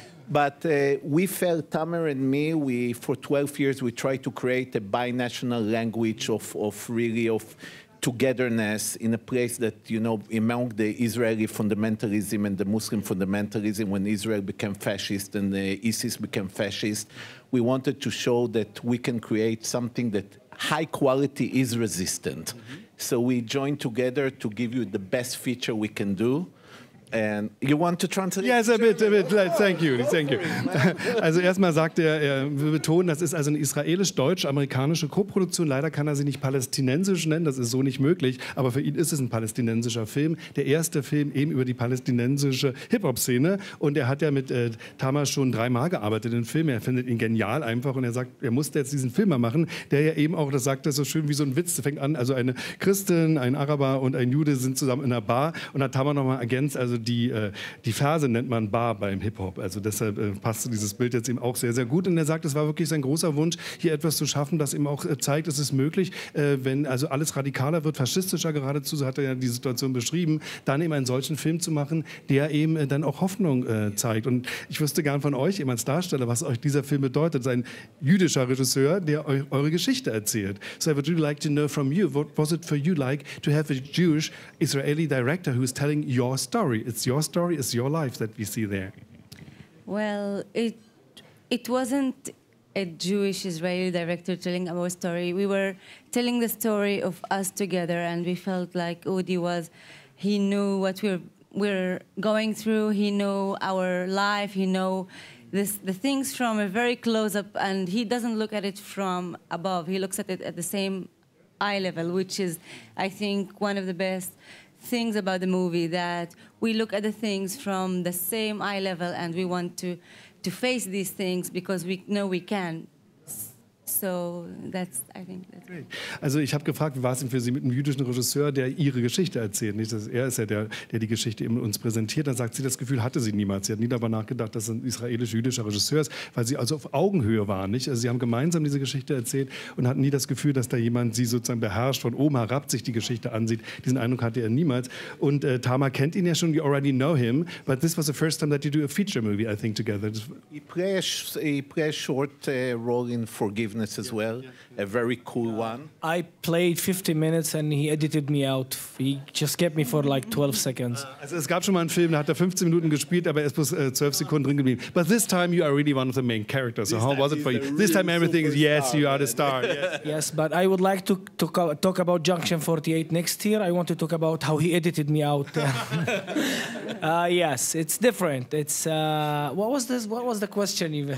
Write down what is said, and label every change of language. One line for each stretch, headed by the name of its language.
English: But we felt, Tamer and me, for 12 years, we tried to create a binational language of togetherness in a place that, you know, among the Israeli fundamentalism and the Muslim fundamentalism, when Israel became fascist and the ISIS became fascist, we wanted to show that we can create something that high quality is resistant. Mm-hmm. So we joined together to give you the best feature we can do. And you want to translate? Yes, a bit. Thank you.
German: Also erstmal sagt er, wir betonen, das ist also eine israelisch-deutsch-amerikanische Koproduktion. Leider kann er sie nicht palästinensisch nennen, das ist so nicht möglich. Aber für ihn ist es ein palästinensischer Film. Der erste Film eben über die palästinensische Hip-Hop-Szene. Und er hat ja mit Tamer schon dreimal gearbeitet in Filmen. Er findet ihn genial einfach. Und er sagt, er musste jetzt diesen Film mal machen, der ja eben auch, das sagt er so schön wie so ein Witz, fängt an, also eine Christin, ein Araber und ein Jude sind zusammen in einer Bar. Und hat Tamer nochmal ergänzt, also die Verse nennt man Bar beim Hip-Hop. Also deshalb passt dieses Bild jetzt eben auch sehr, sehr gut. Und er sagt, es war wirklich sein großer Wunsch, hier etwas zu schaffen, das eben auch zeigt, es ist möglich, wenn also alles radikaler wird, faschistischer geradezu, so hat er ja die Situation beschrieben, dann eben einen solchen Film zu machen, der eben dann auch Hoffnung zeigt. Und ich wüsste gern von euch, eben als Darsteller, was euch dieser Film bedeutet. Sein jüdischer Regisseur, der euch eure Geschichte erzählt.
English: So I would really like to know from you, what was it for you like to have a Jewish Israeli director who is telling your story? It's your story, it's your life that we see there. Well, it wasn't a Jewish Israeli director telling our story. We were telling the story of us together, and we felt like Udi was, he knew what we're going through, he knew our life, he knew the things from a very close up, and he doesn't look at it from above. He looks at it at the same eye level, which is, I think, one of the best things about the movie, that we look at the things from the same eye level, and we want to face these things because we know we can. So that's, I think, that's great.
German: Also ich habe gefragt, wie war es denn für Sie mit einem jüdischen Regisseur, der Ihre Geschichte erzählt? Nicht, dass er ist ja der die Geschichte eben uns präsentiert. Dann sagt sie, das Gefühl hatte sie niemals. Sie hat nie darüber nachgedacht, dass es ein israelisch-jüdischer Regisseur ist, weil sie also auf Augenhöhe waren. Nicht? Also sie haben gemeinsam diese Geschichte erzählt und hatten nie das Gefühl, dass da jemand sie sozusagen beherrscht, von oben herab sich die Geschichte ansieht. Diesen Eindruck hatte er niemals. Und Tamer kennt ihn ja schon,
English: we already know him, but this was the first time that you do a feature movie, I think, together. He played a short role in Forgiveness as well. Yeah. a very cool one. I played 50 minutes and he edited me out. He just kept me for like 12 seconds.
German: Also es gab schon mal einen Film, da hat er 15 Minuten gespielt, aber er ist bloß 12 Sekunden drin geblieben.
English: But this time you are really one of the main characters. So this how was it for you? This time everything is yes, you are the star. Yes. Yes, but I would like to talk about Junction 48 next year. I want to talk about how he edited me out. yes, it's different. It's what was this? What was the question even?